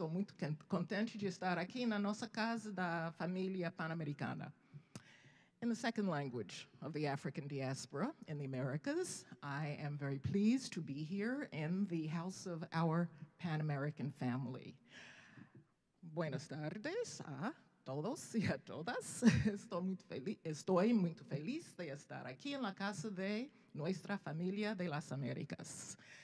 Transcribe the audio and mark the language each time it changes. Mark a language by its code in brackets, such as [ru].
[pt] Estou muito contente de estar aqui na nossa casa da família pan-americana. [en] In the second language of the African diaspora in the Americas, I am very pleased to be here in the house of our pan-American family. [es] Buenas tardes a todos y a todas. Estoy muy feliz de estar aquí en la casa de nuestra familia de las Américas.